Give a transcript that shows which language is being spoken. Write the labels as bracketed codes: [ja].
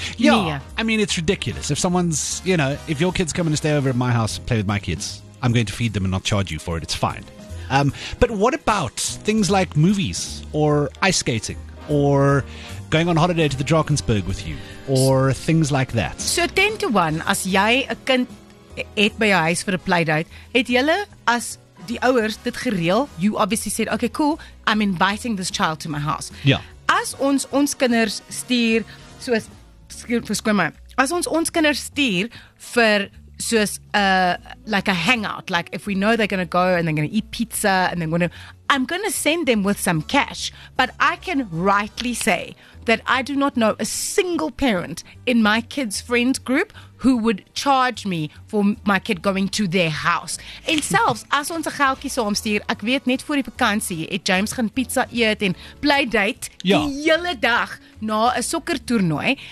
[en] Yeah. Mia. I mean, it's ridiculous. If someone's, you know, if your kids come and stay over at my house and play with my kids, I'm going to feed them and not charge you for it. It's fine. But what about things like movies or ice skating or going on holiday to the Drakensberg with you or things like that? So 10 to 1, [af] as jy 'n kind het by jou huis vir 'n playdate, het julle as die ouers dit gereël? [en] You obviously said, okay, cool, I'm inviting this child to my house. [af] Ja. As ons kinders stuur, soos, verskoon my, as ons kinders stuur vir... [en] So it's like a hangout. Like if we know they're going to go and they're going to eat pizza and they're going to... I'm going to send them with some cash. But I can rightly say that I do not know a single parent in my kid's friend group who would charge me for my kid going to their house. [af] En selfs, as ons 'n geldjie saam stuur, ek weet net voor die vakansie, het James gaan pizza eet en playdate ja. Die hele dag na 'n sokkertoernooi.